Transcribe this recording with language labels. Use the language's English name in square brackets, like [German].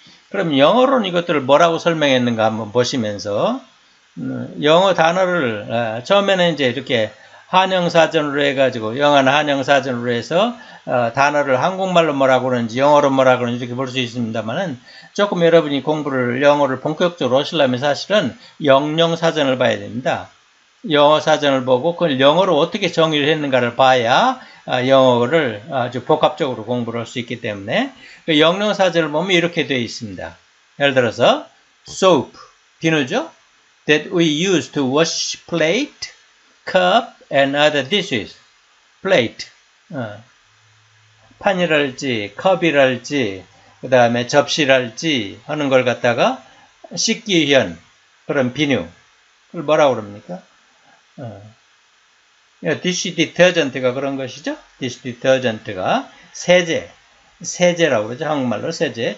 [Korean] 그럼 영어로는 이것들을 뭐라고 설명했는가 한번 보시면서, 영어 단어를 처음에는 이제 이렇게 한영사전으로 해가지고 영어는 한영사전으로 해서 단어를 한국말로 뭐라고 그러는지 영어로 뭐라고 그러는지 이렇게 볼 수 있습니다만은, 조금 여러분이 공부를 영어를 본격적으로 하시려면 사실은 영영사전을 봐야 됩니다. 영어사전을 보고 그걸 영어로 어떻게 정의를 했는가를 봐야 영어를 아주 복합적으로 공부를 할 수 있기 때문에, 그 영영사전을 보면 이렇게 되어 있습니다. 예를 들어서 soap, 비누죠? [English] That we use to wash plate, cup, and other dishes. Plate. [Korean] 판이랄지, 컵이랄지, 그 다음에 접시랄지 하는 걸 갖다가 씻기 위한 그런 비누. 그걸 뭐라고 그럽니까? dish detergent가 그런 것이죠? dish detergent가 세제. 세제라고 그러죠. 한국말로 세제.